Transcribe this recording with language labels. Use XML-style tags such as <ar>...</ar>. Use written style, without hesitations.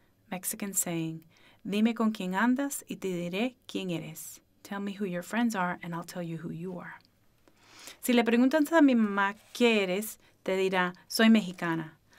<en>Mexican saying,</en> <es>dime con quién andas y te diré quién eres.</es> <en>Tell me who your friends are and I'll tell you who you are.</en> <es>Si le preguntan a mi mamá qué eres, te dirá, soy mexicana.</es>